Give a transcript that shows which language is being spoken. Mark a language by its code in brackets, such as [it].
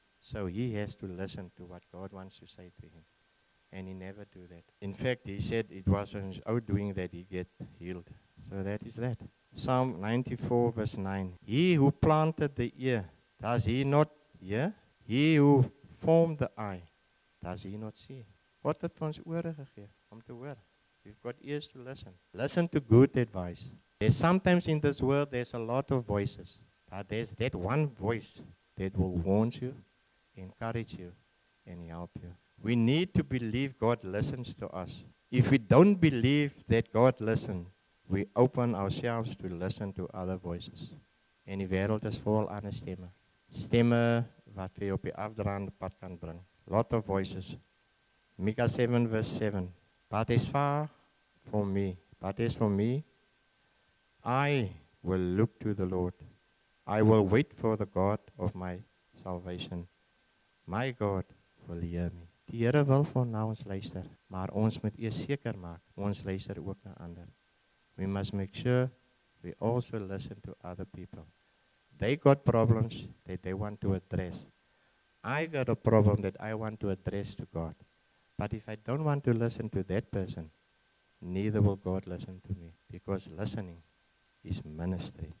[en] So he has to listen to what God wants to say to him. And he never do that. In fact, he said it was on his own doing that he get healed. So that is that. Psalm 94 verse 9. He who planted the ear, does he not hear? He who formed the eye, does he not see? [af] God het ons ore gegee om te hoor. [en] We've got ears to listen. Listen to good advice. There's sometimes in this world, there's a lot of voices. But there's that one voice that will warn you, encourage you, and help you. We need to believe God listens to us. If we don't believe that God listens, we open ourselves to listen to other voices. [af] En die wêreld is vol aan 'n stemme. Stemme wat vir jou op die afdraande pad kan bring. [en] Lot of voices. Micah 7 verse 7. But as far from me, but as for me, I will look to the Lord. I will wait for the God of my salvation. My God will hear me. [af] Die Here wil van nou ons luister, maar ons moet eers seker maak ons luister ook na ander. [en] We must make sure we also listen to other people. They got problems that they want to address. I got a problem that I want to address to God. But if I don't want to listen to that person, neither will God listen to me. Because listening is ministry.